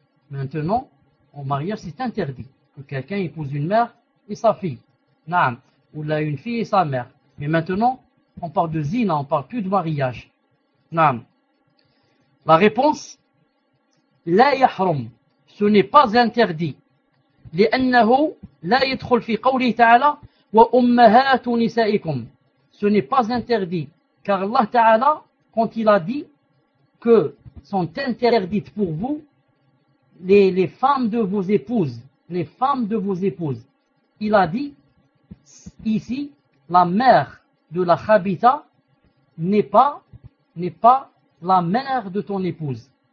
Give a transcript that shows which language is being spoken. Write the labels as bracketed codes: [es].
[fr] Maintenant, au mariage, c'est interdit que quelqu'un épouse une mère et sa fille. Non. Ou là, une fille et sa mère. Mais maintenant, on parle de zina, on ne parle plus de mariage. Non. La réponse, [ar] la yahrum, [fr] ce n'est pas interdit. [ar] لأنه لا يدخل في قوله تعالى وأمهات نسائكم. [fr] Ce n'est pas interdit, car Allah Ta'ala, quand il a dit que sont interdites pour vous les femmes de vos épouses, les femmes de vos épouses, il a dit ici la mère de la khabitha n'est pas la mère de ton épouse.